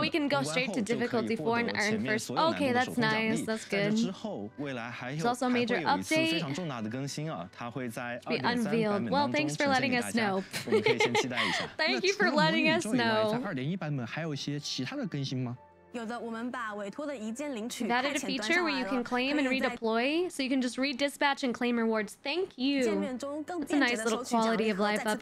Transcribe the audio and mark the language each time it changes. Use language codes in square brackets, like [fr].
[en] Oh, we can go straight to difficulty four and earn first. Okay, that's nice. That's good. [zh] 之后，未来还有还会有一次非常重大的更新啊，它会在二点三版本当中呈现给大家。我们可以先期待一下。 [en] Thank you for letting us know. [zh] 在二点一版本还有一些其他的更新吗？有的，我们把委托的一键领取。 [en] We've added a feature where you can claim and redeploy, so you can just redispatch and claim rewards. Thank you. [zh] 界面中更便捷的收取奖励和再次派遣。